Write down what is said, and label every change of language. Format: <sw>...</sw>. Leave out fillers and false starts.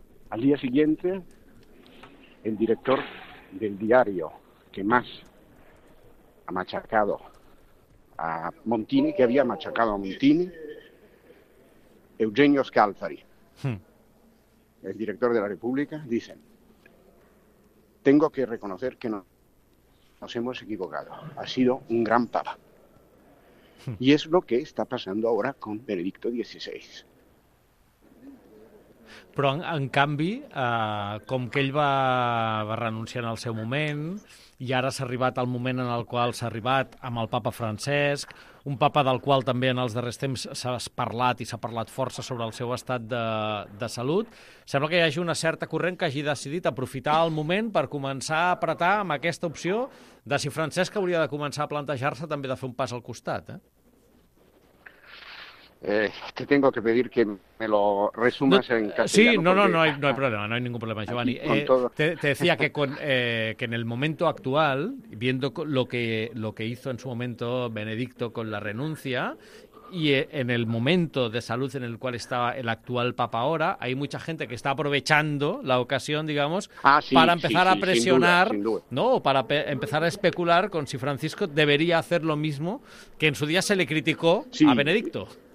<es>Al día siguiente, el director del diario que más ha machacado a Montini, que había machacado a Montini, Eugenio Scalzari, el director de La República, dice: tengo que reconocer que nos hemos equivocado. Ha sido un gran papa. Y es lo que está pasando ahora con Benedicto XVI.</es> <ca>Però, en canvi, com que ell va renunciar en el seu moment, i ara s'ha arribat al moment en el qual s'ha arribat amb el papa Francesc, un papa del qual també en els darrers temps s'ha parlat i s'ha parlat força sobre el seu estat de salut, sembla que hi hagi una certa corrent que hagi decidit aprofitar el moment per començar a apretar amb aquesta opció de si Francesc hauria de començar a plantejar-se també de fer un pas al costat, eh?</ca> <es>Te tengo que pedir que me lo resumas en castellano. Sí, no hay problema, no hay ningún problema, Giovanni. Te decía que que en el momento actual, viendo lo que hizo en su momento Benedicto con la renuncia, y en el momento de salud en el cual estaba el actual Papa ahora, hay mucha gente que está aprovechando la ocasión, digamos, para empezar a presionar, para empezar a especular con si Francisco debería hacer lo mismo que en su día se le criticó a Benedicto.</es>